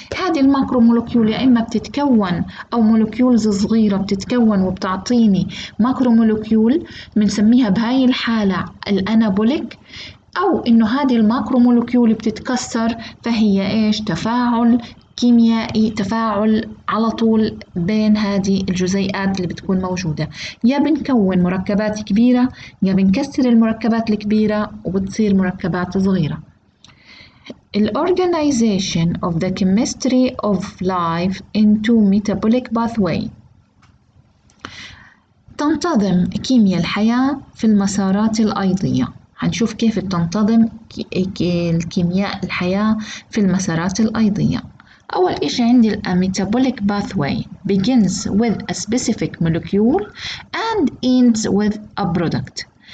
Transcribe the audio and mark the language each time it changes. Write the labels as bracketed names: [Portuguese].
[Arabic] هذه الماكرومولوكيول يا إما بتتكون أو مولوكيولز صغيرة بتتكون وبتعطيني ماكرومولوكيول بنسميها بهاي الحالة الأنابوليك، أو إنه هذه الماكرومولوكيول بتتكسر فهي إيش تفاعل كيميائي، تفاعل على طول بين هذه الجزيئات اللي بتكون موجودة. يا بنكون مركبات كبيرة يا بنكسر المركبات الكبيرة وبتصير مركبات صغيرة. [English] The organization of the chemistry of life into metabolic pathway. [Arabic] تنتظم كيمياء الحياة في المسارات الأيضية. هنشوف كيف تنتظم الكيمياء الحياة في المسارات الأيضية. أول إشي عندي الـ [English] metabolic pathway begins with a specific molecule and ends with a product.